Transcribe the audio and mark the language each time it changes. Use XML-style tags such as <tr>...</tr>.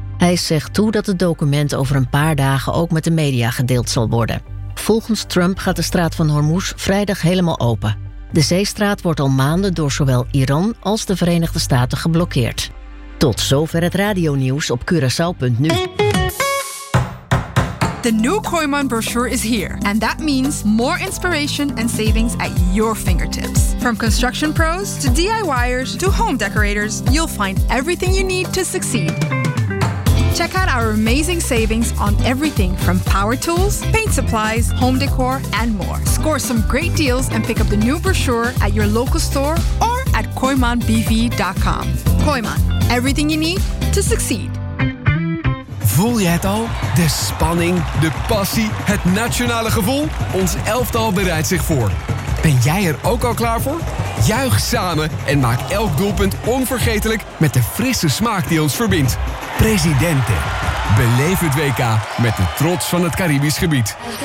<nl>Hij zegt toe dat het document over een paar dagen ook met de media gedeeld zal worden. Volgens Trump gaat de Straat van Hormuz vrijdag helemaal open. De zeestraat wordt al maanden door zowel Iran als de Verenigde Staten geblokkeerd. Tot zover het radionieuws op Curaçao.nu.</nl> <en>The new Kooiman brochure is here. And that means more inspiration and savings at your fingertips. From construction pros to DIYers to home decorators, you'll find everything you need to succeed. Check out our amazing savings on everything from power tools, paint supplies, home decor and more. Score some great deals and pick up the new brochure at your local store or at KooimanBV.com. Kooiman. Everything you need to succeed.</en> <nl>Voel je het al? De spanning, de passie, het nationale gevoel? Ons elftal bereidt zich voor. Ben jij er ook al klaar voor? Juich samen en maak elk doelpunt onvergetelijk met de frisse smaak die ons verbindt. Presidente, beleef het WK met de trots van het Caribisch gebied.</nl>